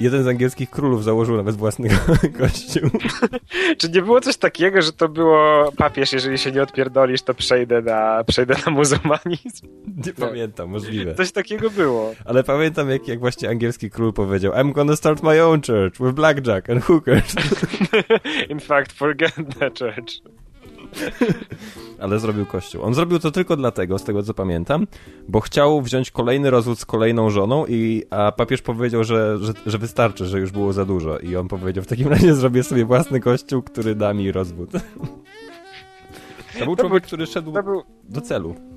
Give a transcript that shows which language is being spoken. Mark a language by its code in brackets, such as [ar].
[pl] Jeden z angielskich królów założył nawet własny kościół. Czy nie było coś takiego, że to było papież, jeżeli się nie odpierdolisz, to przejdę na muzułmanizm? Nie pamiętam, możliwe. Coś takiego było. Ale pamiętam, jak właśnie angielski król powiedział, [en] I'm gonna start my own church with blackjack and hookers. In fact, forget the church. [pl] Ale zrobił kościół. On zrobił to tylko dlatego, z tego co pamiętam, bo chciał wziąć kolejny rozwód z kolejną żoną, a papież powiedział, że wystarczy, że już było za dużo. I on powiedział, w takim razie zrobię sobie własny kościół, który da mi rozwód. To był człowiek, który szedł do celu.